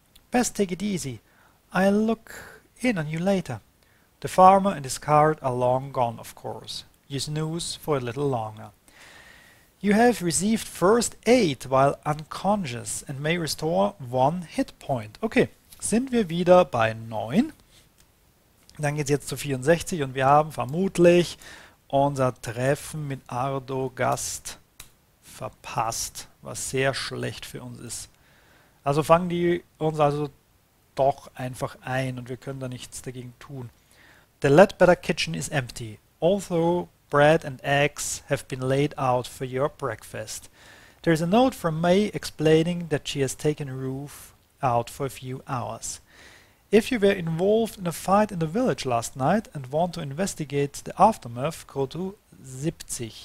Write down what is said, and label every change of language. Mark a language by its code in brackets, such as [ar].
[en] Best take it easy. I'll look in on you later. The farmer and his cart are long gone, of course. You snooze for a little longer. You have received first aid while unconscious and may restore 1 hit point. [de] Okay, sind wir wieder bei 9. Dann geht es jetzt zu 64 und wir haben vermutlich unser Treffen mit Ardo Gast verpasst, was sehr schlecht für uns ist. Also fangen die uns also doch einfach ein und wir können da nichts dagegen tun. [en] The Ledbetter kitchen is empty, although bread and eggs have been laid out for your breakfast. There is a note from May explaining that she has taken roof out for a few hours. If you were involved in a fight in the village last night and want to investigate the aftermath, go to 70.